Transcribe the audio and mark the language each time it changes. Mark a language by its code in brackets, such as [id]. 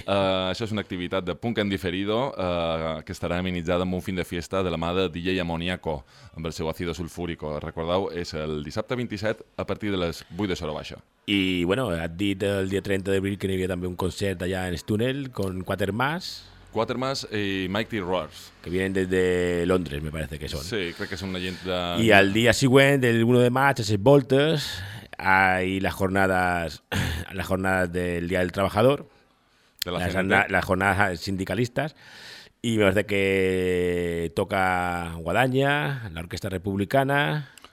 [ca] Això és una activitat de punk en diferido que estarà amenitzada amb un [es] fin de fiesta [ca] de la mà de DJ Amoniaco amb el seu ácido sulfúrico. Recordeu, és el dissabte 27 a partir de les 8 de sora baixa. I, bueno, et dit el dia 30 d'abril que hi havia també un concert allà en el túnel con Quatermass. Quatermass i Mike D. Roars. [es] Que vienen desde Londres, me parece que son. [ca] Sí, crec que són una gent de... I al dia següent, el 1 de maig, a les Voltes, [es] hay las jornadas del Dia del Trabajador, de la las jornadas sindicalistas, y me parece que toca Guadaña, la Orquesta Republicana...